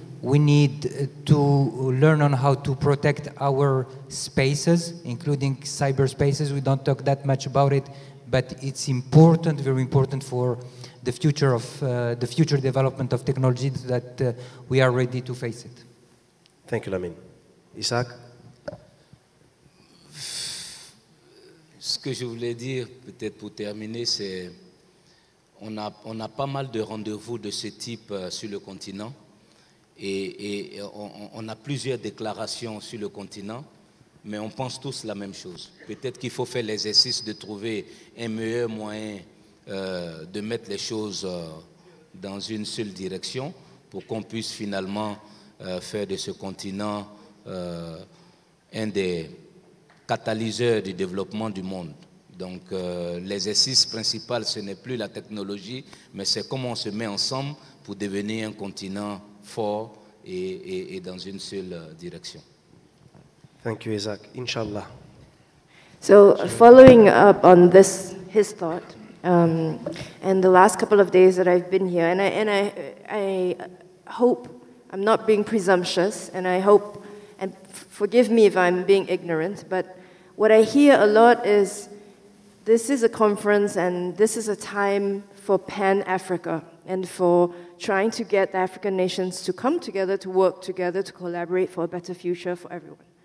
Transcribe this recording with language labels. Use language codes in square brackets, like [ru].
[en] We need to learn on how to protect our spaces, including cyberspaces. We don't talk that much about it, but it's important, very important for the future of the future development of technology, that we are ready to face it. Thank you, Lamine. Isaac? [fr] Ce que je voulais dire, peut-être pour terminer, c'est on a pas mal de rendez-vous de ce type sur le continent. Et on a plusieurs déclarations sur le continent, mais on pense tous la même chose. Peut-être qu'il faut faire l'exercice de trouver un meilleur moyen de mettre les choses dans une seule direction pour qu'on puisse finalement faire de ce continent un des catalyseurs du développement du monde. Donc l'exercice principal, ce n'est plus la technologie, mais c'est comment on se met ensemble pour devenir un continent fort et dans une seule direction. [en] Thank you, Isaac. Inshallah. So, following up on this, his thought, and the last couple of days that I've been here, and I hope I'm not being presumptuous, and I hope, and forgive me if I'm being ignorant, but what I hear a lot is, this is a conference, and this is a time for Pan-Africa, and for trying to get the African nations to come together, to work together, to collaborate for a better future for everyone.